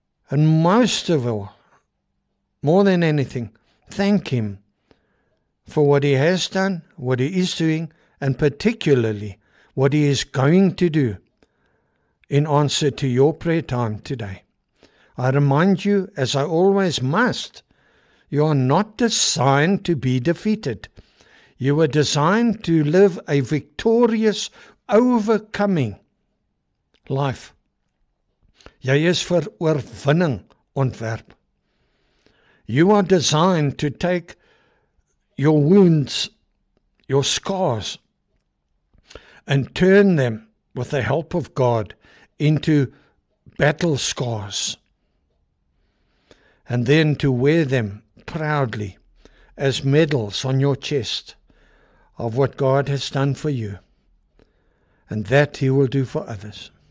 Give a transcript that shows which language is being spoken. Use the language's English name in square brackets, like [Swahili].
[English] And most of all, more than anything, thank Him for what He has done, what He is doing, and particularly what He is going to do in answer to your prayer time today. I remind you, as I always must, you are not designed to be defeated. You were designed to live a victorious, overcoming life. [Afrikaans] Jy is vir oorwinning ontwerp. [English] You are designed to take your wounds, your scars, and turn them with the help of God into battle scars, and then to wear them proudly as medals on your chest of what God has done for you and that He will do for others.